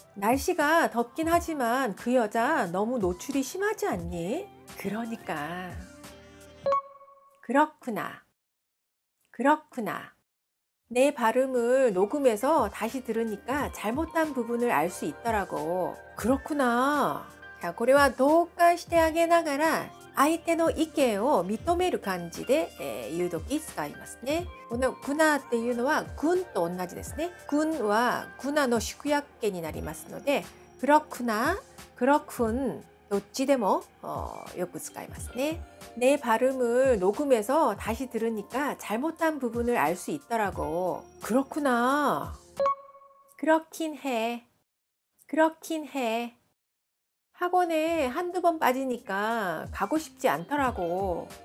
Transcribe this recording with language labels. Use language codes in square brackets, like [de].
[ko] 날씨가 덥긴 하지만 그 여자 너무 노출이 심하지 않니? 그러니까. 그렇구나. 그렇구나. 내 발음을 녹음해서 다시 들으니까 잘못한 부분을 알 수 있더라고. 그렇구나. [ja] 자, これは同感してあげながら相手の意見を認める感じで言うとき使いますね。このくなっていうのは군と同じですね。 군はくなの縮約形になりますので、 그렇구나, 그렇군, どっちでもよく使いますね。 [ko] 내 발음을 녹음해서 다시 들으니까 잘못한 부분을 알 수 있더라고. 그렇구나. 그렇긴 해. 그렇긴 해. 학원에 한두 번 빠지니까 가고 싶지 않더라고.